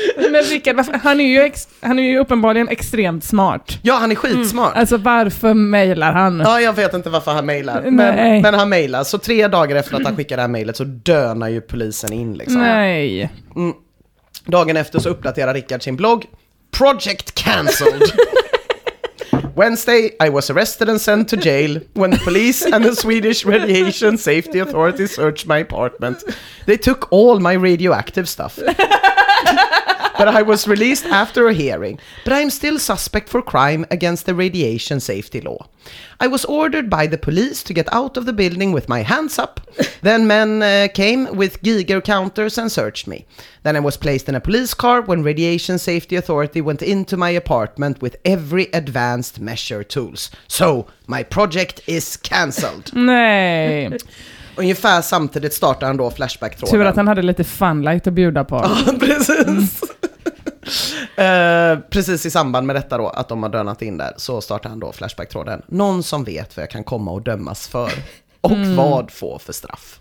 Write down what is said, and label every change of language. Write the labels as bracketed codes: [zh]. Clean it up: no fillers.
[sv] Men Rickard, han är ju uppenbarligen extremt smart. Ja, han är skitsmart. Mm. Alltså, varför mejlar han? Ja, jag vet inte varför han mejlar. Men han mejlar. Så 3 dagar efter att han skickar det här mejlet så dönar ju polisen in. Liksom. Nej. Mm. Dagen efter så uppdaterar Rickard sin blogg. [en] Project cancelled. Wednesday, I was arrested and sent to jail when the police and the Swedish Radiation Safety Authority searched my apartment. They took all my radioactive stuff. But I was released after a hearing. But I'm still suspect for crime against the radiation safety law. I was ordered by the police to get out of the building with my hands up. Then men came with Geiger counters and searched me. Then I was placed in a police car when Radiation Safety Authority went into my apartment with every advanced measure tools. So my project is cancelled. [sv] Nej. Ungefär samtidigt startade han då Flashback-tråden. Tur att han hade lite funlight att bjuda på. Ja, precis. Mm. precis i samband med detta då, att de har dönat in där, så startade han då Flashback-tråden. Någon som vet vad jag kan komma och dömas för och vad få för straff.